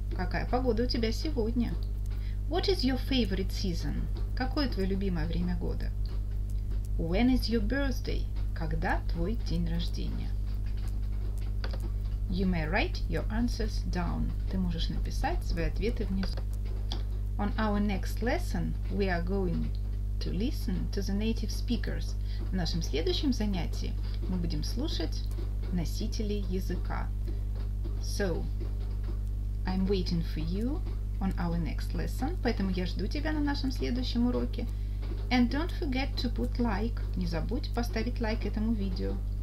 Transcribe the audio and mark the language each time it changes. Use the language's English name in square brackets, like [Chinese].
[Russian] Какая погода у тебя сегодня? [English] What is your favorite season? [Russian] Какое твое любимое время года? [English] When is your birthday? [Russian] Когда твой день рождения? [English] You may write your answers down. [Russian] Ты можешь написать свои ответы внизу. [English] On our next lesson, we are going to listen to the native speakers. [Russian] В нашем следующем занятии мы будем слушать носителей языка. [English] So, I'm waiting for you on our next lesson. [Russian] Поэтому я жду тебя на нашем следующем уроке. [English] And don't forget to put like. [Russian] Не забудь поставить лайк этому видео.